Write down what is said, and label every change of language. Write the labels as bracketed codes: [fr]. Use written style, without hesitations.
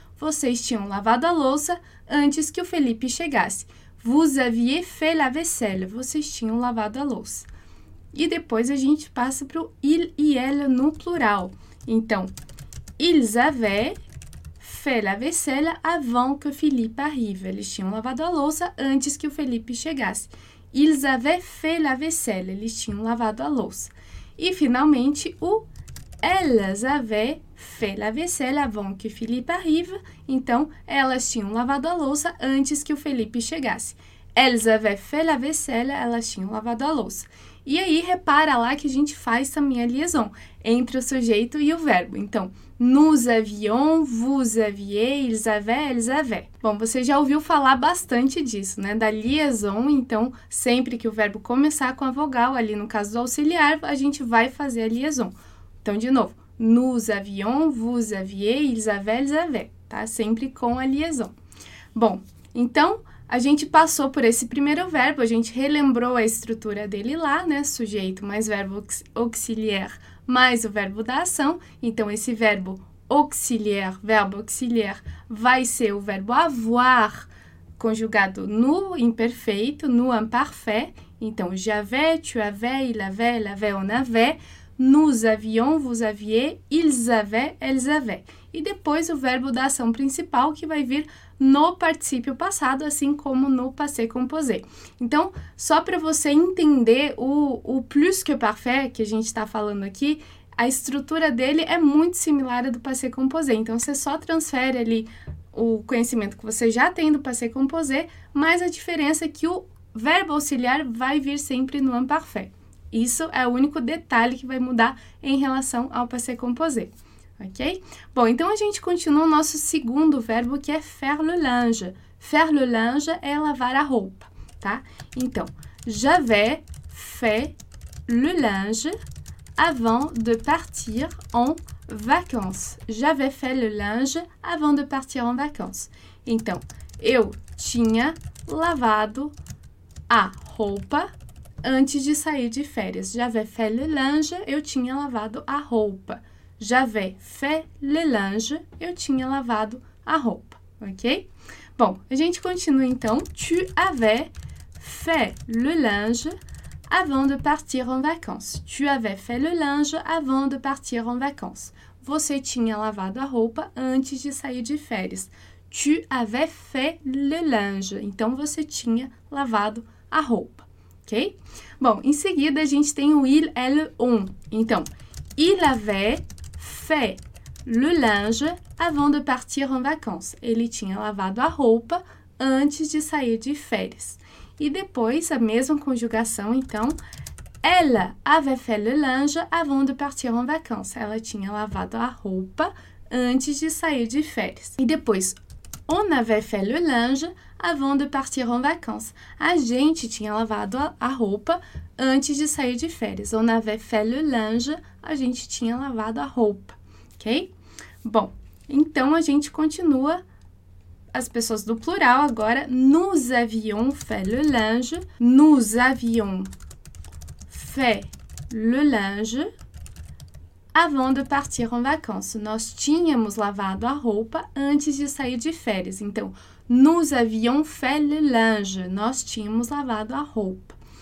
[pt] Vocês tinham lavado a louça antes que o Felipe chegasse. [fr] Vous aviez fait la vaisselle. [pt] Vocês tinham lavado a louça. E depois a gente passa para o il e elle no plural. [fr] Então, ils avaient fait la vaisselle avant que Philippe arrive. [pt] Eles tinham lavado a louça antes que o Felipe chegasse. [fr] Ils avaient fait la vaisselle. [pt] Eles tinham lavado a louça. E, finalmente, o [fr] Elles avaient fait la vaisselle avant que Philippe arrive. [pt] Então, elas tinham lavado a louça antes que o Felipe chegasse. [fr] Elles avaient fait la vaisselle, [pt] elas tinham lavado a louça. E aí, repara lá que a gente faz também a liaison entre o sujeito e o verbo. [fr] Então, nous avions, vous aviez, ils avaient, elles avaient. [pt] Bom, você já ouviu falar bastante disso, né? Da liaison. Então, sempre que o verbo começar com a vogal, ali no caso do auxiliar, a gente vai fazer a liaison. Então, de novo, [fr] nous avions, vous aviez, ils avaient, tá? [pt] Sempre com a liaison. Bom, então, a gente passou por esse primeiro verbo, a gente relembrou a estrutura dele lá, né? Sujeito mais verbo auxiliar mais o verbo da ação. Então, esse verbo auxiliar vai ser o verbo avoir, conjugado no imperfeito, no imparfait. [fr] Então, j'avais, tu avais, il avait, on avait. Nous avions, vous aviez, ils avaient, elles avaient. [pt] E depois o verbo da ação principal que vai vir no particípio passado, assim como no passé composé. Então, só para você entender o plus que parfait que a gente está falando aqui, a estrutura dele é muito similar à do passé composé. Então, você só transfere ali o conhecimento que você já tem do passé composé, mas a diferença é que o verbo auxiliar vai vir sempre no imparfait. Isso é o único detalhe que vai mudar em relação ao passé composé, ok? Bom, então a gente continua o nosso segundo verbo, que é faire le linge. Faire le linge é lavar a roupa, tá? [fr] Então, j'avais fait le linge avant de partir en vacances. J'avais fait le linge avant de partir en vacances. [pt] Então, eu tinha lavado a roupa antes de sair de férias. [fr] J'avais fait le linge, [pt] eu tinha lavado a roupa. [fr] J'avais fait le linge, [pt] eu tinha lavado a roupa, ok? Bom, a gente continua então. [fr] Tu avais fait le linge avant de partir en vacances. Tu avais fait le linge avant de partir en vacances. [pt] Você tinha lavado a roupa antes de sair de férias. [fr] Tu avais fait le linge. [pt] Então, você tinha lavado a roupa. Ok? Bom, em seguida a gente tem o il, elle, on. [fr] Então, il avait fait le linge avant de partir en vacances. [pt] Ele tinha lavado a roupa antes de sair de férias. E depois, a mesma conjugação, então, [fr] elle avait fait le linge avant de partir en vacances. [pt] Ela tinha lavado a roupa antes de sair de férias. E depois, [fr] on avait fait le linge avant de partir en vacances. [pt] A gente tinha lavado a roupa antes de sair de férias. [fr] On avait fait le linge, [pt] a gente tinha lavado a roupa, ok? Bom, então a gente continua as pessoas do plural agora. [fr] Nous avions fait le linge. Nous avions fait le linge avant de partir en vacances. [pt] Nós tínhamos lavado a roupa antes de sair de férias. [fr] Então, nous avions fait le linge. [pt] Nós tínhamos lavado a roupa.